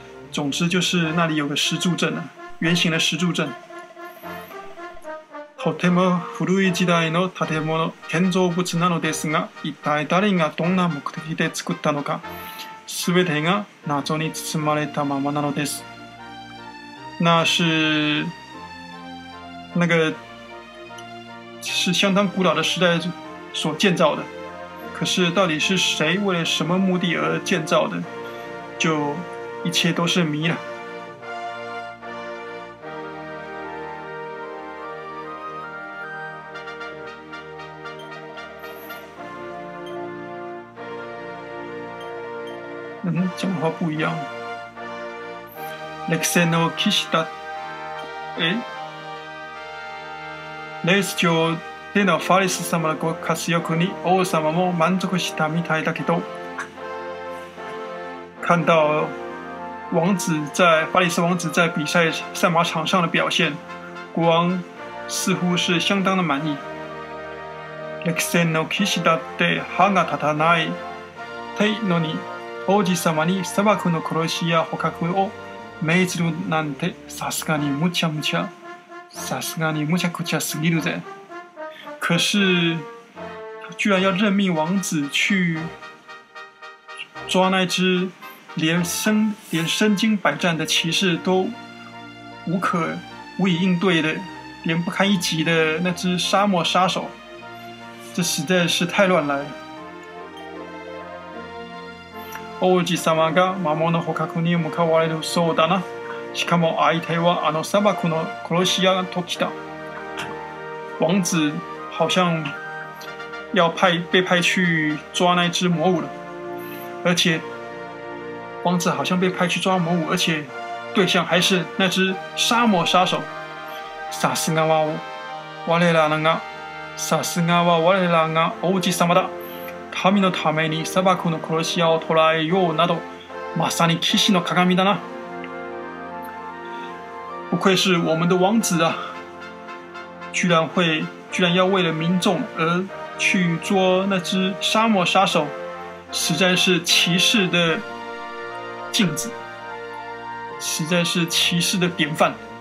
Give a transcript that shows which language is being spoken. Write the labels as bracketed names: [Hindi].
[Chinese] 总之就是那里有个石柱阵，圆形的石柱阵。 [Japanese] とても古い時代の建物、建造物なのですが、一体誰がどんな目的で作ったのか、すべてが謎に包まれたままなのです。 [Chinese] 那是相当古老的时代所建造的。可是到底是谁为了什么目的而建造的，就一切都是谜了。讲话不一样。 [Japanese] 歴戦の騎士だ。レース上でのファリス様のご活躍に王様も満足したみたいだけど。 [Chinese] 看到王子在法里斯王子在比赛赛马场上的表现，国王似乎是相当的满意。 [Japanese] 歴戦の騎士だって歯が立たないてのに。王子様に砂漠の殺し屋捕獲を命ずるなんて、さすがにむちゃむちゃ、さすがにむちゃくちゃすぎるぜ。 [Chinese] 可是，他居然要任命王子去抓那只连身经百战的骑士都无以应对的连不堪一击的那只沙漠杀手，这实在是太乱来了。 [Japanese] 王子様が魔物の捕獲に向かわれるそうだな。しかも相手はあの砂漠の殺し屋と来た。 [Chinese] 王子好像要被派去抓那只魔物了，而且王子好像被派去抓魔物，而且对象还是那只沙漠杀手。 [Japanese] さすがは我らが、さすがは我らが王子様だ。民のために砂漠の殺し屋を捕らえようなど、まさに騎士の鏡だな。 [Chinese] 不愧是我们的王子啊，居然要为了民众而去捉那只沙漠杀手，实在是骑士的镜子，实在是骑士的典范。